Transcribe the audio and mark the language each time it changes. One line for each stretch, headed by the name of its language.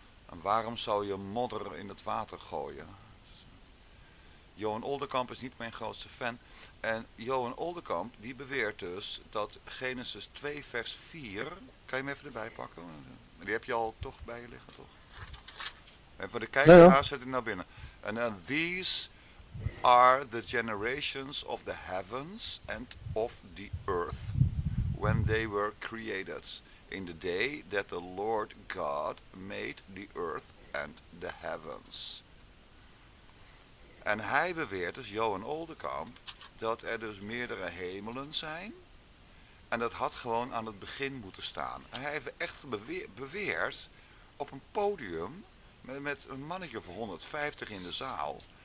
Dutch: En waarom zou je modder in het water gooien? Johan Oldekamp is niet mijn grootste fan. En Johan Oldekamp die beweert dus dat Genesis 2 vers 4... Kan je hem even erbij pakken? Die heb je al toch bij je liggen, toch? En voor de kijkeraar zet hij nou binnen. En dan,
English: these are the generations of the heavens and of the earth when they were created in the day that the Lord God made the earth and the heavens.
Dutch: En hij beweert, dus Johan Oldekamp, dat er dus meerdere hemelen zijn. En dat had gewoon aan het begin moeten staan. En hij heeft echt beweerd op een podium met een mannetje van 150 in de zaal.